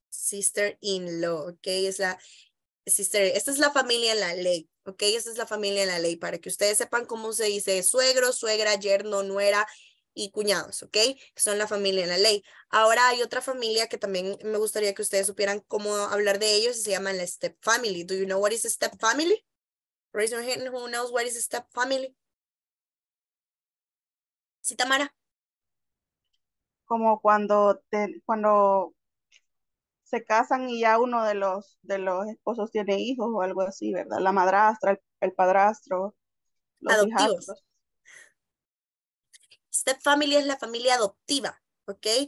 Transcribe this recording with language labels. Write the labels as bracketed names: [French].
[Spanish] Sister-in-law, ok, es la sister, esta es la familia en la ley. Ok, esta es la familia en la ley, para que ustedes sepan cómo se dice suegro, suegra, yerno, nuera y cuñados, ok, son la familia en la ley. Ahora hay otra familia que también me gustaría que ustedes supieran cómo hablar de ellos, y se llaman la step family. [English] Do you know what is a step family? Raise your hand who knows what is a step family. [Spanish] ¿Sí, Tamara? Como cuando se casan y ya uno de los esposos tiene hijos o algo así, ¿verdad? La madrastra, el padrastro, los adoptivos. Step family es la familia adoptiva, ¿ok?